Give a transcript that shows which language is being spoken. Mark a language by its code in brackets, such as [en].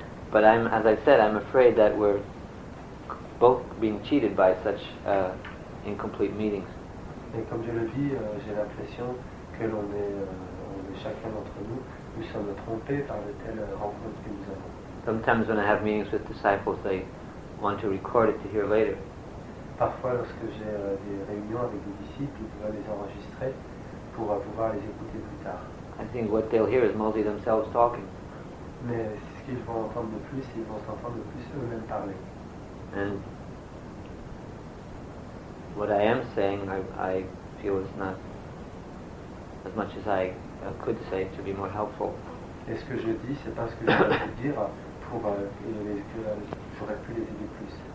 [en] But I'm, as I said, I'm afraid that we're both being cheated by such incomplete meetings. [fr] Et comme je le dis, j'ai l'impression que l'on est, chacun d'entre nous, nous sommes trompés par de telles rencontres que nous avons. [en] Sometimes when I have meetings with disciples, they want to record it to hear later. [fr] Parfois, lorsque j'ai des réunions avec des disciples, ils veulent les enregistrer pour pouvoir les écouter plus tard. [en] I think what they'll hear is mostly themselves talking. [fr] Mais ce qu'ils vont entendre de plus, ils vont s'entendre de plus eux-mêmes parler. [en] And what I am saying, I feel it's not as much as I could say to be more helpful. [fr] Et ce que je dis, c'est pas ce que je veux dire pour que plus les aider plus.